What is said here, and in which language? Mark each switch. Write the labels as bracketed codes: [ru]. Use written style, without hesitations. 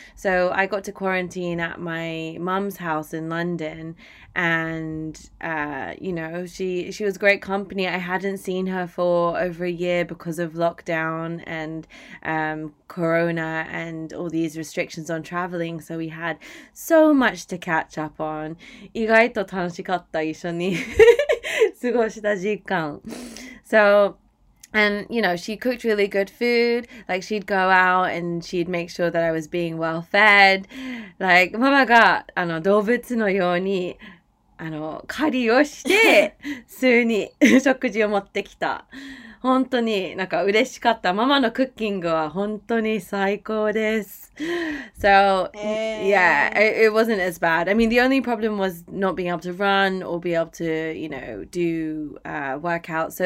[en] So I got to quarantine at my mum's house in London. And, you know, she was great company. I hadn't seen her for over a year because of lockdown and Corona and all these restrictions on traveling. So we had so much to catch up on. [ja] 意外と楽しかった一緒に過ごした時間. [en] So... And, you know, she cooked really good food. Like, she'd go out and she'd make sure that I was being well fed. [ja] Like, ママが、あの、動物のように、あの、狩りをして、すぐに食事を持ってきた。本当になんか嬉しかった。ママのクッキングは本当に最高です。 [en] So, yeah, it wasn't as bad. I mean, the only problem was not being able to run or be able to, you know, do workouts.